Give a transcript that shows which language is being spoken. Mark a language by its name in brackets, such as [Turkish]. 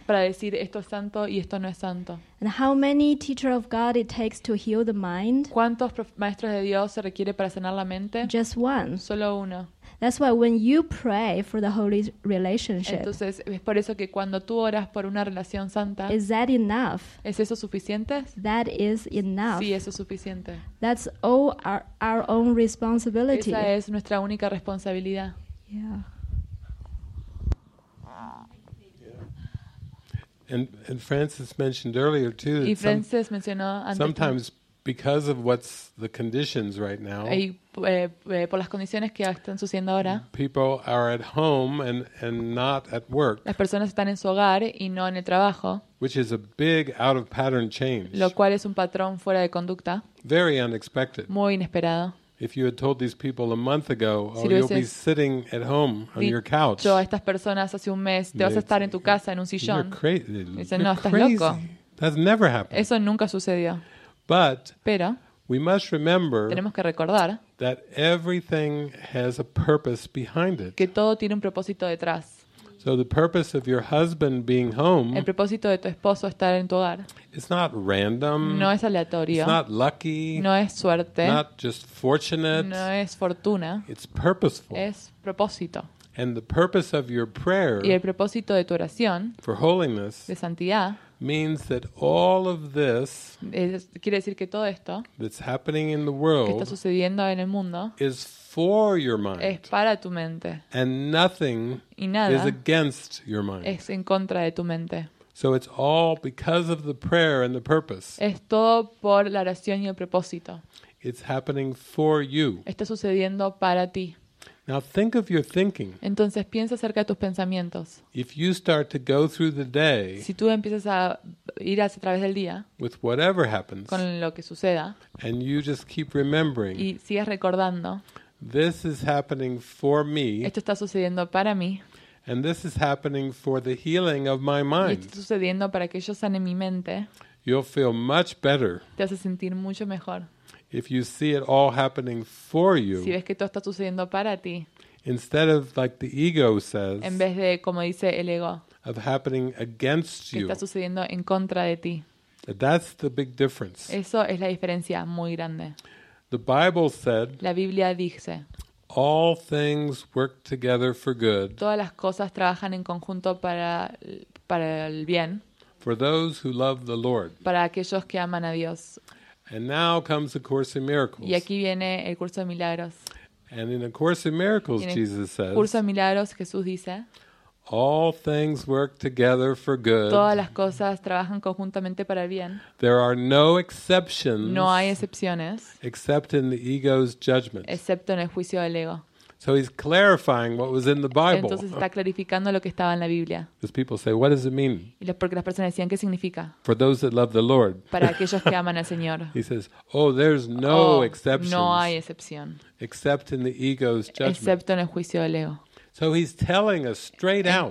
[Spanish] Para decir esto es santo y esto no es santo. [English] And how many teachers of God it takes to heal the mind? [Spanish] ¿Cuántos maestros de Dios se requiere para sanar la mente? [English] Just one. [Spanish] Solo uno. [English] That's why when you pray for the holy relationship. [Spanish] Entonces es por eso que cuando tú oras por una relación santa. [English] Is that enough? [Spanish] ¿Es eso suficiente? [English] That is enough. [Spanish] Sí, eso es suficiente. [English] That's all our own responsibility. [Spanish] Esa es nuestra única responsabilidad. [English] Yeah. And Francis mentioned earlier too. [Spanish] Y Francis mencionó antes. [English] Sometimes because of what's the conditions right now. [Spanish] Por las condiciones que están sucediendo ahora. [English] People are at home and not at work. [Spanish] Las personas están en su hogar y no en el trabajo. [English] Which is a big out of pattern change. [Spanish] Lo cual es un patrón fuera de conducta. [English] Very unexpected. [Spanish] Muy inesperado. [English] If you had told these people a month ago, [Spanish] si [English] oh, you'll be sitting at home on your couch. [Spanish] Yo a estas personas hace un mes, te vas a estar en tu casa en un sillón. [English] You're crazy. [Spanish] Dicen, no, estás loco. [English] That's never happened. [Spanish] Eso nunca sucedió. [English] But [Spanish] pero, [English] we must remember [Spanish] tenemos que recordar [English] that everything has a purpose behind it. [Spanish] Que todo tiene un propósito detrás. [English] So the purpose of your husband being home, [Spanish] el propósito de tu esposo estar en tu hogar, [English] it's not random, [Spanish] no es aleatorio, [English] it's not lucky, [Spanish] no es suerte, [English] not just fortunate, [Spanish] no es fortuna, [English] it's purposeful, [Spanish] es propósito. [English] And the purpose of your prayer, [Spanish] y el propósito de tu oración, [English] for holiness, [Spanish] de santidad, [English] means that all of this, [Spanish] quiere decir que todo esto, [English] that's happening in the world, [Spanish] que está sucediendo en el mundo, [English] is for your mind, [Spanish] es para tu mente, [English] and nothing, [Spanish] y nada, [English] is against your mind, [Spanish] es en contra de tu mente. [English] So it's all because of the prayer and the purpose. [Spanish] Es todo por la oración y el propósito. [English] It's happening for you. [Spanish] Está sucediendo para ti. [English] Now think of your thinking. [Spanish] Entonces piensa acerca de tus pensamientos. [English] If you start to go through the day, [Spanish] si tú empiezas a ir a través del día, [English] with whatever happens, [Spanish] con lo que suceda, [English] and you just keep remembering, [Spanish] y sigues recordando, [English] this is happening for me, [Spanish] esto está sucediendo para mí, [English] and this is happening for the healing of my mind, [Spanish] y esto está sucediendo para que yo sane mi mente, [English] you'll feel much better. [Spanish] Te hace sentir mucho mejor. [English] If you see it all happening for you, [Spanish] si ves que todo está sucediendo para ti, [English] instead of like the ego says, [Spanish] en vez de como dice el ego, [English] of happening against you, [Spanish] que está sucediendo en contra de ti, [English] that's the big difference. [Spanish] Eso es la diferencia muy grande. [English] The Bible said, [Spanish] la Biblia dice, [English] all things work together for good. [Spanish] Todas las cosas trabajan en conjunto para el bien. [English] For those who love the Lord. [Spanish] Para aquellos que aman a Dios. [English] And now comes the Course in Miracles. [Spanish] Y aquí viene el curso de milagros. [English] And in the Course in Miracles, Jesus says, [Spanish] curso de milagros, Jesús dice, [English] all things work together for good. [Spanish] Todas las cosas trabajan conjuntamente para el bien. [English] There are no exceptions. [Spanish] No hay excepciones. [English] Except in the ego's judgment. [Spanish] Excepto en el juicio del ego. [English] So he's clarifying what was in the Bible. [Spanish] Entonces está clarificando lo que estaba en la Biblia. [English] Because people say, what does it mean? [Spanish] Y porque las personas decían, ¿qué significa? [English] For those that love the Lord. [Spanish] Para aquellos que aman al Señor. [English] He says, oh, there's no exceptions. [Spanish] No hay excepción. [English] except in the ego's judgment. [Spanish] Excepto en el juicio del ego. [English] So he's telling us straight out.